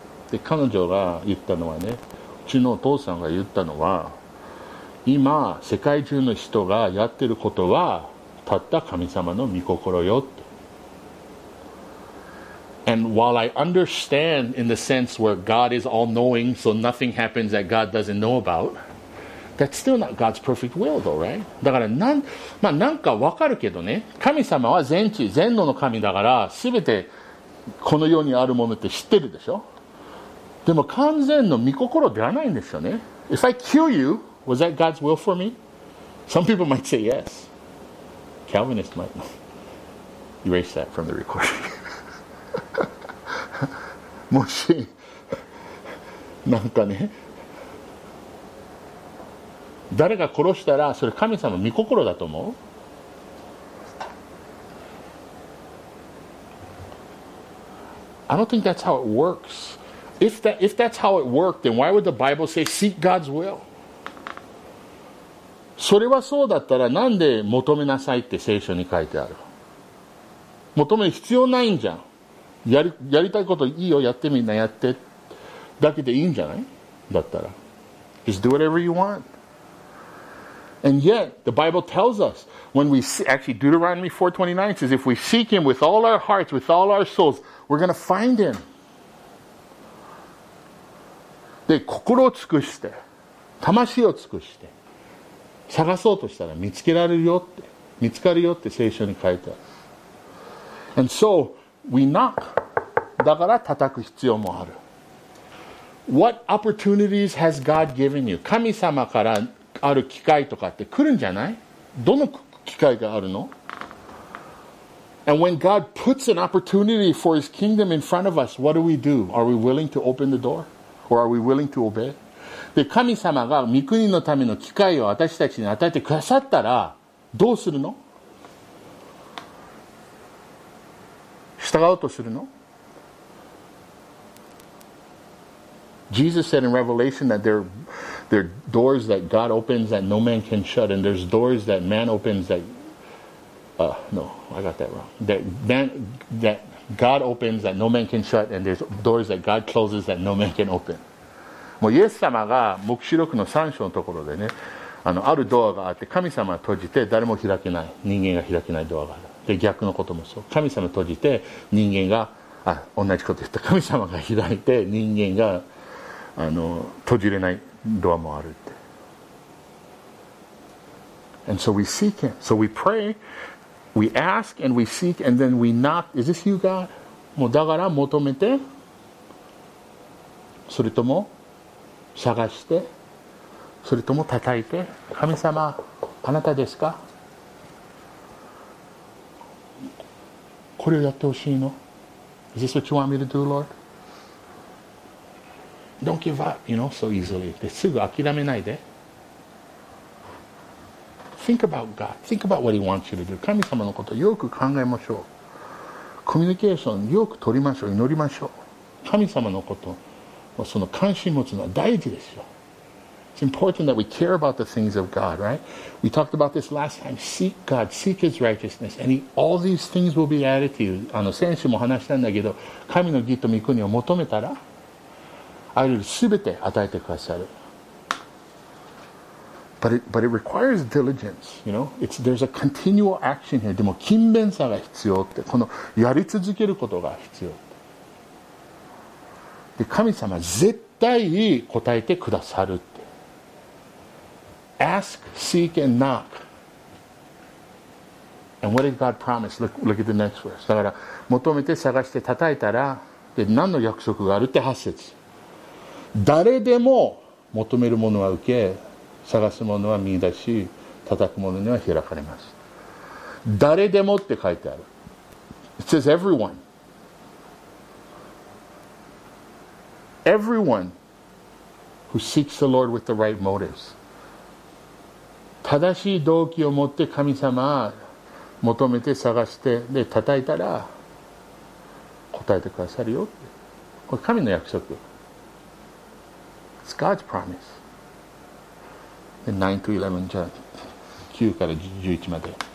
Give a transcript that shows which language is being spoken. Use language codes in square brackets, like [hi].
[ja] で、彼女が言ったのはね、うちのお父さんが言ったのは、今、世界中の人がやってることは、たった神様の御心よって。 [en] And while I understand in the sense where God is all-knowing, so nothing happens that God doesn't know about,That's still not God's perfect will, though, right? [ja] だからまあ、なんかわかるけどね。神様は全知全能の神だから、すべてこの世にあるものって知ってるでしょ。でも完全の御心ではないんですよね。 [en] If I kill you, was that God's will for me? Some people might say yes. Calvinist might erase that from the recording. [ja] もしなんかね。誰が殺したらそれ神様の御心だと思う? [en] I don't think that's how it works. If that's how it worked, then why would the Bible say seek God's will? [ja] それはそうだったらなんで求めなさいって聖書に書いてある? 求める必要ないんじゃん。やりたいこといいよ、やってみんなやって。だけでいいんじゃない？だったら。 [en] Just do whatever you want. And yet, the Bible tells us, when we see, actually Deuteronomy 4:29 says, if we seek him with all our hearts, with all our souls, we're going to find him. [ja] で、心を尽くして、魂を尽くして、探そうとしたら見つけられるよって、見つかるよって聖書に書いてある。 [en] And so, we knock. [ja] だから叩く必要もある。 [en] What opportunities has God given you? [ja] 神様からある機会とかって来るんじゃない？どの機会があるの？ [en] And when God puts an opportunity for his kingdom in front of us, what do we do? Are we willing to open the door? Or are we willing to obey? [ja] で、神様が御国のための機会を私たちに与えてくださったらどうするの？従おうとするの？ [en] Jesus said in Revelation that there are doors that God opens that no man can shut, and there's doors that man opens that God opens that no man can shut, and there's doors that God closes that no man can open. [ja] もうイエス様が黙示録の3章のところでね、あるドアがあって神様は閉じて誰も開けない、人間が開けないドアがある。で、逆のこともそう。神様閉じて人間が、同じこと言った。神様が開いて人間が閉じれないドアもあるって。 [en] And so we seek him. So we pray, we ask and we seek and then we knock. Is this you, God? [ja] もうだから求めて、それとも探して、それとも叩いて、神様、あなたですか？これをやってほしいの？ [en] Is this what you want me to do, Lord? Don't give up, you know, so easily. [ja] ですぐ諦めないで。 [en] Think about God. Think about what He wants you to do. [ja] 神様のことよく考えましょう。コミュニケーションよく取りましょう。祈りましょう。神様のこと、その関心持つのは大事ですよ。 [en] It's important that we care about the things of God, right? We talked about this last time. Seek God. Seek His righteousness. And all these things will be added to you. [ja] 先週も話したんだけど、神の義と御国を求めたら、全て与えてくださる。 [en] But it requires diligence, you know? There's a continual action here. [ja] でも勤勉さが必要って。このやり続けることが必要って。で、神様絶対答えてくださるって。 [en] Ask, seek, and knock. And what did God promise? Look at the next verse. [ja] だから、求めて探して叩いたら、で、何の約束があるって8節。誰でも求めるものは受け、探すものは見出し、叩くものには開かれます。誰でもって書いてある。 [en] It says everyone. Everyone who seeks the Lord with the right motives. [ja] 正しい動機を持って神様を求めて探して、で、叩いたら答えてくださるよって。これ神の約束。 [en] It's God's promise. Then 9-11, 9-11.